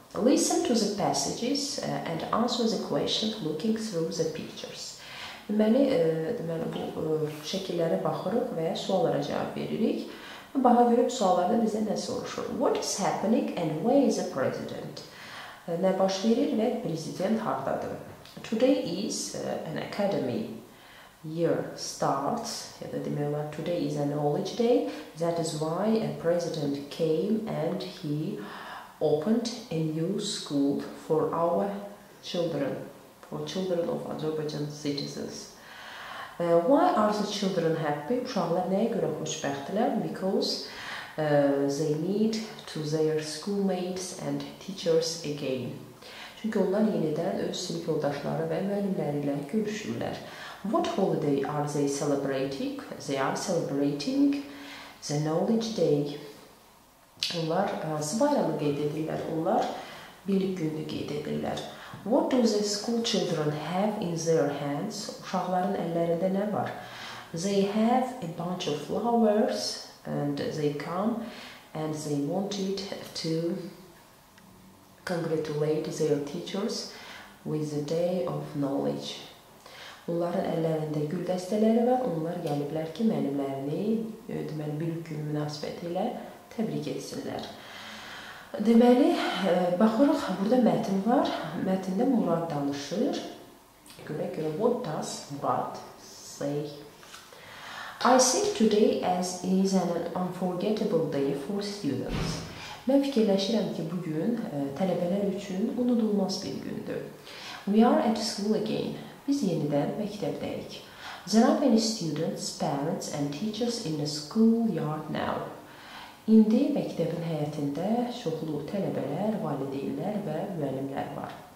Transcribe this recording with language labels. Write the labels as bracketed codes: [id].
[en] Listen to the passages and answer the question looking through the pictures. [az] Deməli, bu şəkillərə baxırıq və suallara cavab veririk. Baha görüb suallarda bizə nə soruşur? [en] What is happening and where is the president? [az] Nə baş verir və prezident haradadır? [en] Today is an academy year starts. Ya da demək olar, today is a knowledge day. That is why a president came and he opened a new school for our children. For children of Azerbaijan citizens. Why are the children happy? [az] Uşaqlar nəyə görə xoşbəxtdirlər? [en] Because they meet to their schoolmates and teachers again. [az] Çünki onlar yenidən öz sinif yoldaşları və müəllimləri ilə görüşürlər. [en] What holiday are they celebrating? They are celebrating the Knowledge Day. [az] Onlar hansı bayramı qeyd edirlər? Onlar bilik günü qeyd edirlər. [en] What do the school children have in their hands? [az] Uşaqların əllərində nə var? [en] They have a bunch of flowers and they come and they wanted to congratulate their teachers with the day of knowledge. [az] Onların əllərində gül dəstələri var. Onlar gəliblər ki, mənimlərini, deməli, bir gün münasibəti ilə təbrik etsinlər. Deməli, baxırıq, burada mətn var. Mətndə Murad danışır. Görə, [en] what does Murad say? I think today as is an unforgettable day for students. [az] Mən fikirləşirəm ki, bugün tələbələr üçün unudulmaz bir gündür. [en] We are at school again. [az] Biz yenidən məktəbdəyik. [en] There are many students, parents and teachers in the school yard now. [az] İndi məktəbin həyətində çoxlu tələbələr, valideynlər və müəllimlər var.